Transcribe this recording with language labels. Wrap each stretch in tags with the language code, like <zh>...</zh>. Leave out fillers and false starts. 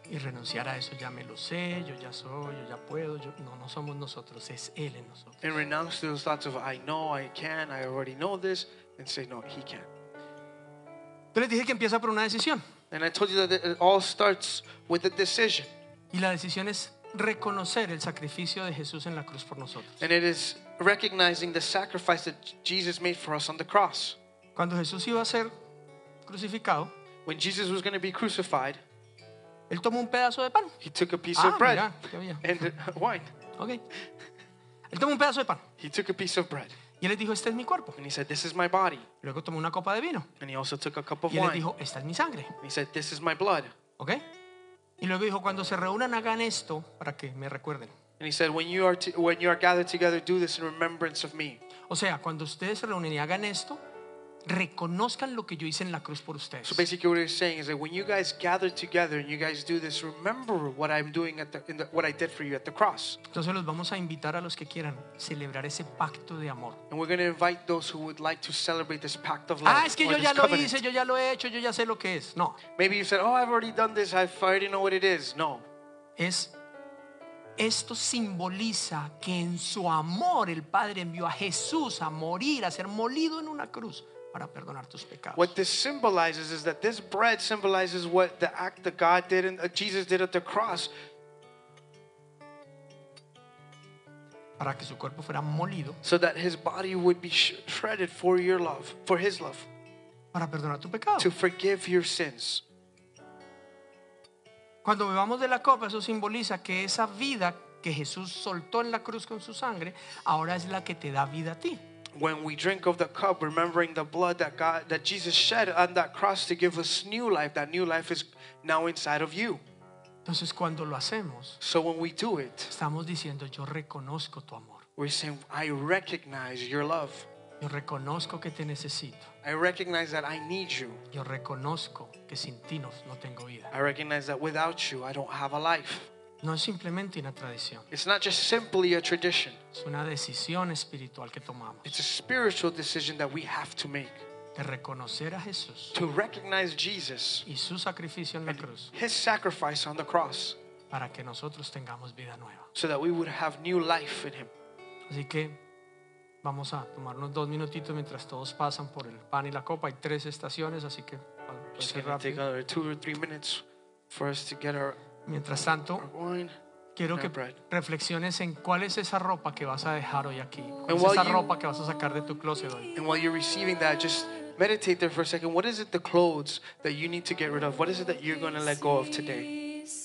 <es>Y renunciar a eso, ya me lo sé, yo ya soy, yo ya puedo. No somos nosotros, es él en nosotros.</es> <en>And renounce those thoughts of, I know, I can, I already know this, and say, no, he can.</en> <es>Pero dije que empieza por una decisión.</es> <en>And I told you that it all starts with a decision.</en> <es>Y la decisión es reconocer el sacrificio de Jesús en la cruz por nosotros.</es> <en>And it is recognizing the sacrifice that Jesus made for us on the cross.</en> <es>Cuando Jesús iba a ser crucificado,</es> <en>when Jesus was going to be crucified,</en> <es>él tomó un pedazo de pan.</es> <en>He took a piece of bread.</en> <es>Mira, qué había.</es> <en>And wine.</en> <es>Okay. Él tomó un pedazo de pan.</es> <en>He took a piece of bread.</en> <es>Y él les dijo, este es mi cuerpo.</es> <en>And he said, this is my body.</en> <es>Luego tomó una copa de vino.</es> <en>And he also took a cup of</en> <es>y</es> <en>wine.</en> <es>Y él dijo, esta es mi sangre.</es> <en>And he said, this is my blood. Okay.</en> <es>Y luego dijo, cuando se reúnan, hagan esto para que me recuerden.</es> <en>And he said, when you are gathered together, do this in remembrance of me.</en> <es>O sea, cuando ustedes se reúnen y hagan esto, reconozcan lo que yo hice en la cruz por ustedes.</es> <en>So basically what he's saying is that when you guys gather together and you guys do this, remember what I'm doing at what I did for you at the cross.</en> <es>Entonces los vamos a invitar a los que quieran celebrar ese pacto de amor.</es> <en>And we're going to invite those who would like to celebrate this pact of love.</en> <es>Ah, es que yo ya lo hice, yo ya lo he hecho, yo ya sé lo que es. No.</es> <en>Maybe you said, oh, I've already done this, I already know what it is. No.</en> <es>Es esto simboliza que en su amor el Padre envió a Jesús a morir, a ser molido en una cruz. Para perdonar tus pecados.</es> <en>What this symbolizes is that this bread symbolizes what the act that God did and Jesus did at the cross.</en> <es>Para que su cuerpo fuera molido.</es> <en>So that his body would be shredded for your love, for his love.</en> <es>Para perdonar tu pecado.</es> <en>To forgive your sins.</en> <es>Cuando bebamos de la copa, eso simboliza que esa vida que Jesús soltó en la cruz con su sangre, ahora es la que te da vida a ti.</es> <en>When we drink of the cup, remembering the blood that God, that Jesus shed on that cross to give us new life, that new life is now inside of you.</en> <es>Entonces, cuando lo hacemos,</es> <en>so when we do it,</en> <es>estamos diciendo, yo reconozco tu amor.</es> <en>We're saying, I recognize your love.</en> <es>Yo reconozco que te necesito.</es> <en>I recognize that I need you.</en> <es>Yo reconozco que sin ti no, no tengo vida.</es> <en>I recognize that without you, I don't have a life.</en> <es>No es simplemente una tradición.</es> <en>It's not just simply a tradition.</en> <es>Es una decisión espiritual que tomamos.</es> <en>It's a spiritual decision that we have to make.</en> <es>De reconocer a Jesús.</es> <en>To recognize Jesus.</en> <es>Y su sacrificio en la cruz.</es> <en>His sacrifice on the cross.</en> <es>Para que nosotros tengamos vida nueva.</es> <en>So that we would have new life in him.</en> <es>Así que vamos a tomarnos dos minutitos mientras todos pasan por el pan y la copa. Hay tres estaciones, así que</es> <en>just gonna</en> <es>rápido.</es> <en>Take another 2 or 3 minutes for us to get our.</en> <es>Mientras tanto,</es> <en>wine,</en> <es>quiero que</es> <en>bread.</en> <es>Reflexiones en cuál es esa ropa que vas a dejar hoy aquí. ¿Cuál es esa ropa que vas a sacar de tu closet hoy?</es> <en>And while you're receiving that, just meditate there for a second. What is it, the clothes that you need to get rid of? What is it that you're going to let go of today?</en>